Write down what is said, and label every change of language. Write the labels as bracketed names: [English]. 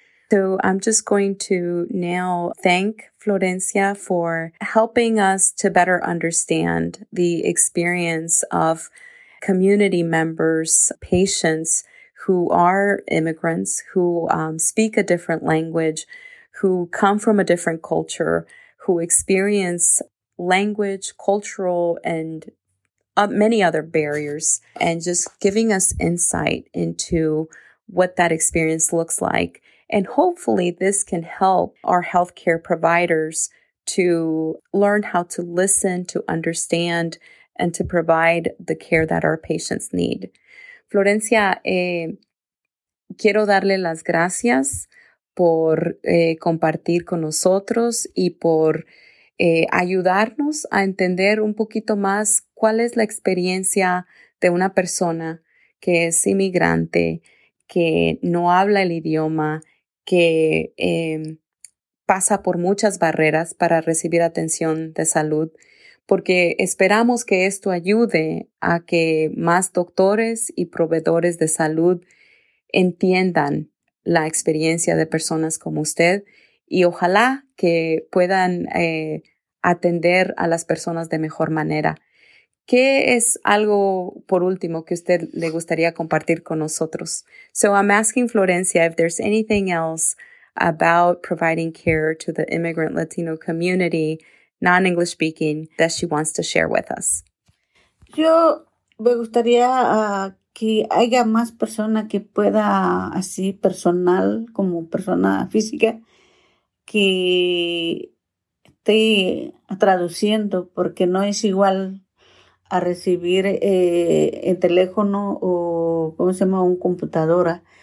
[English] So I'm just going to now thank Florencia for helping us to better understand the experience of community members, patients who are immigrants, who speak a different language, who come from a different culture, who experience language, cultural, and many other barriers, and just giving us insight into what that experience looks like. And hopefully this can help our healthcare providers to learn how to listen, to understand, and to provide the care that our patients need. [Spanish] Florencia, quiero darle las gracias por compartir con nosotros y por ayudarnos a entender un poquito más cuál es la experiencia de una persona que es inmigrante, que no habla el idioma, que pasa por muchas barreras para recibir atención de salud, porque esperamos que esto ayude a que más doctores y proveedores de salud entiendan la experiencia de personas como usted y ojalá que puedan atender a las personas de mejor manera. ¿Qué es algo, por último, que usted le gustaría compartir con nosotros? [English] So I'm asking Florencia if there's anything else about providing care to the immigrant Latino community, non-English speaking, that she wants to share with us. [Spanish] Yo me gustaría que haya más personas que pueda, así personal, como persona física, que esté traduciendo, porque no es igual a recibir el teléfono o, ¿cómo se llama?, una computadora.